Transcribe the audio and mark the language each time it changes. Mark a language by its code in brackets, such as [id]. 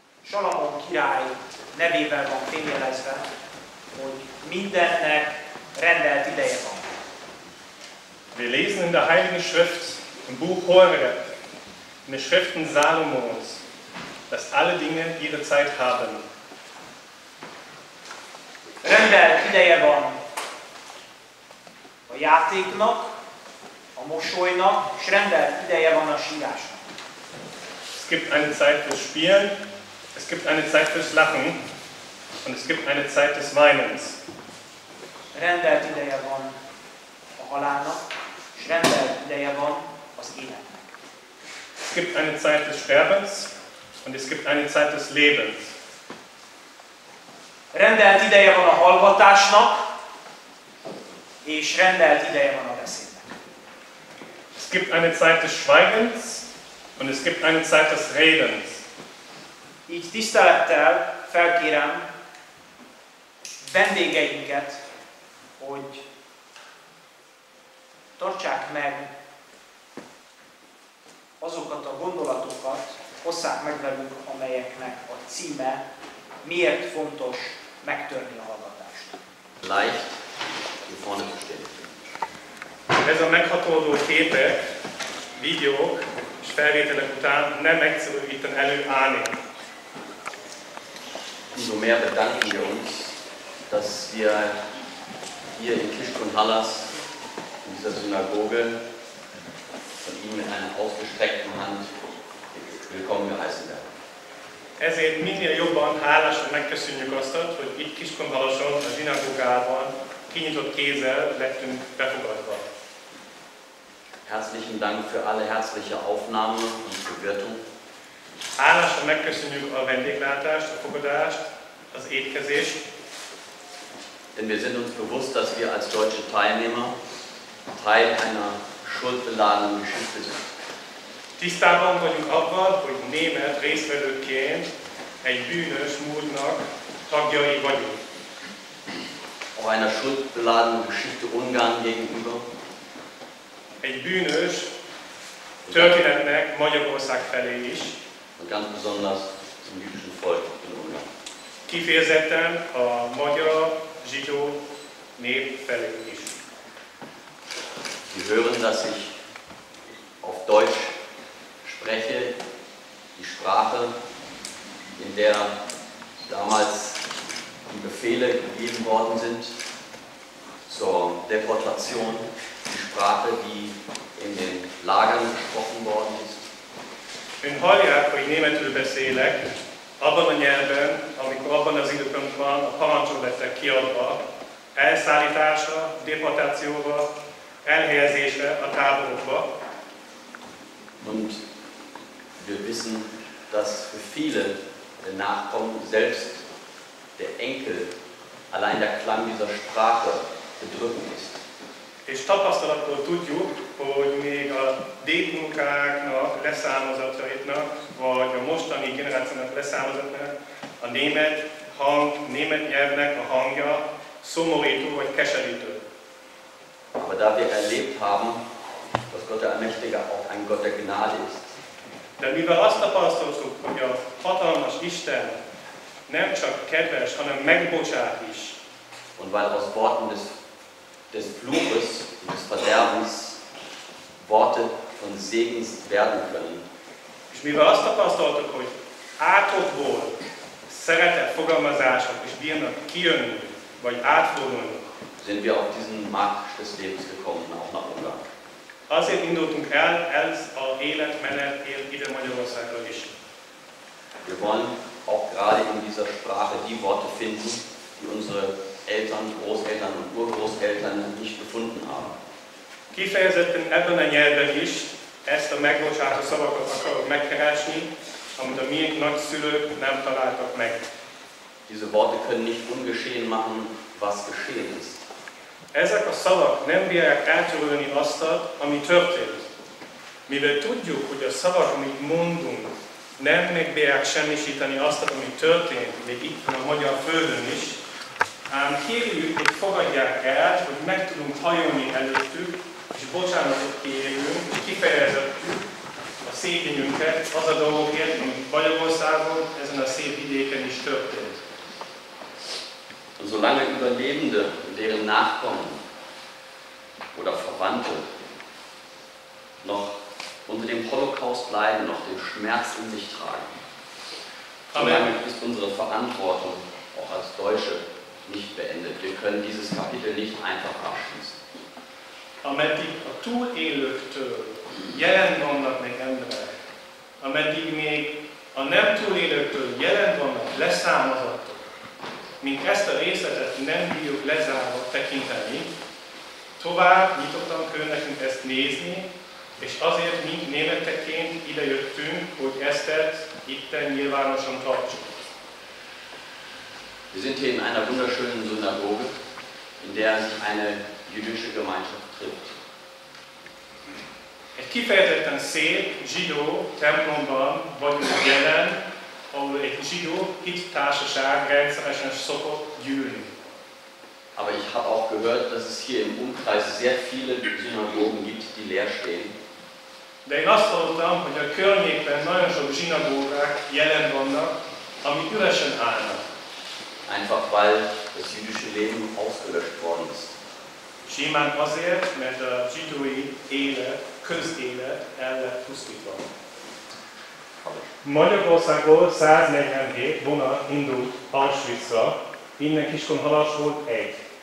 [hu] Salamon király nevével van fényjelezve, hogy mindennek rendelt ideje van. [de] Wir lesen in der Heiligen Schrift, im Buch Hohere, in den Schriften Salomons, dass alle Dinge ihre Zeit haben. [hu] Rendelt ideje van a játéknak, a mosolynak, és rendelt ideje van a sírásnak. [de] Es gibt eine Zeit fürs Spielen, es gibt eine Zeit fürs Lachen, und es gibt eine Zeit des Weinens. [hu] Rendelt ideje van a halálnak, és rendelt ideje van az életnek. [de] Es gibt eine Zeit des Sterbens, und es gibt eine Zeit des Lebens. [hu] Rendelt ideje van a hallgatásnak, és rendelt ideje van a beszédnek. [de] Es gibt eine Zeit des Schweigens, und es gibt eine Zeit des Redens. [hu] Így tisztelettel felkérem vendégeinket, hogy tartsák meg azokat a gondolatokat, hozzák meg velünk, amelyeknek a címe miért fontos megtörni a hallgatást. [de] Leicht, hier vorne zu stehen. [hu] Ez a meghatódó képek, videók és felvételek után nem egyszerű itten előállni. [de] Umso mehr bedanken wir uns, dass wir hier in Kishkun Hallas, in dieser Synagoge, von Ihnen mit einer ausgestreckten Hand willkommen geheißen werden. [hu] Ezért minél jobban hálásan megköszönjük azt, hogy itt Kishkun Hallason, a zsinagógában kinyitott kézzel lettünk befogadva. [de] Herzlichen Dank für alle herzliche Aufnahme und Bewirtung. [hu] Hálásan megköszönjük a vendéglátást, a fogadást, az étkezést. [de] Denn wir sind uns bewusst, dass wir als deutsche Teilnehmer Teil einer schuldbeladenen Geschichte sind. [hu] Tisztában vagyunk abban, hogy német részvevőként egy bűnös múltnak tagjai vagyunk. [de] Auch einer schuldbeladenen Geschichte Ungarn gegenüber. [hu] Egy bűnös történetnek Magyarország felé is. [de] Und ganz besonders zum jüdischen Volk in Ungarn. [hu] Kifejezetten a magyar zsidó nép felé is. [de] Sie hören, dass ich auf Deutsch spreche, die Sprache, in der damals die Befehle gegeben worden sind zur Deportation, die Sprache, die in den Lagern gesprochen worden ist. [hu] Ön hallják, hogy németül beszélek, abban a nyelven, amikor abban az időpont van, a parancsok lettek kiadva, elszállításra, deportációra, elhelyezésre a táborokba. [de] Und wir wissen, dass für viele der Nachkommen, selbst der Enkel, allein der Klang dieser Sprache bedrückend ist. [hu] És tapasztalatból tudjuk, hogy még a dédmunkáknak, leszármazottaitnak, vagy a mostani generációnak leszármazottaknak a német hang, német nyelvnek a hangja szomorító vagy keserítő. [de] Aber da wir erlebt haben, dass Gott der Allmächtige auch ein Gott der Gnade ist. [hu] De mivel azt tapasztaltuk, hogy a hatalmas Isten nem csak kedves, hanem megbocsát is. [de] Und weil aus Worten des Fluches und des Verderbens Worte von Segen werden können. [hu] És mivel azt tapasztaltuk, hogy átokból szeretett fogalmazások is bírnak kijönni, vagy átfordulni, [de] sind wir auf diesen Marsch des Lebens gekommen, auch nach Ungarn. [hu] Azért indultunk el, ez a élet menetén ide Magyarországra is. [de] Wir wollen auch gerade in dieser Sprache die Worte finden, die unsere Eltern, Großeltern und Urgroßeltern nicht gefunden haben. [hu] Kifejezetten ebben a nyelven is ezt a megbocsátó szavakat akarok megkeresni, amit a miénk nagyszülők nem találtak meg. [de] Diese Worte können nicht ungeschehen machen, was geschehen ist. [hu] Ezek a szavak nem bírják eltörölni azt, ami történt. Mivel tudjuk, hogy a szavak, amit mondunk, nem meg bírják semmisíteni azt, ami történt, még itt a magyar földön is, ám kérjük, hogy fogadják el, hogy meg tudunk hajolni előttük, és bocsánatot kérjünk, hogy kifejezettük a szégyenünket az a dolgokért, ami Magyarországon, ezen a szép vidéken is történt. [de] Und solange Überlebende und deren Nachkommen oder Verwandte noch unter dem Holocaust leiden, noch den Schmerz in sich tragen, solange ist unsere Verantwortung auch als Deutsche nicht beendet. Wir können dieses Kapitel nicht einfach abschließen. [hu] ameddig a túlélőktől jelen vannak még emberek, ameddig még a nem túlélőktől jelen vannak leszámazottak, mint ezt a részletet nem bírjuk lezárva tekinteni, tovább nyitottan kell nekünk ezt nézni, és azért mi németekként idejöttünk, hogy ezt itten nyilvánosan tartsuk. [de] Wir sind hier in einer wunderschönen Synagoge, in der sich eine jüdische Gemeinschaft trifft. [hu] Egy kifejezetten szép zsidó templomban vagyunk jelen, ahol egy zsidó hit társaság rendszeresen szokott gyűlni. [de] Aber ich habe auch gehört, dass es hier im Umkreis sehr viele Synagogen gibt, die leer stehen. [hu] De én azt hallottam, hogy a környékben nagyon sok zsinagógák jelen vannak, amik üresen állnak. [de] Einfach weil das jüdische Leben ausgelöscht worden ist. [hu] Simán azért, mert a zsidói élet, közélet el lett pusztítva. Magyarországból 147 vonal indult Auschwitzra, innen Kiskunhalas volt egy.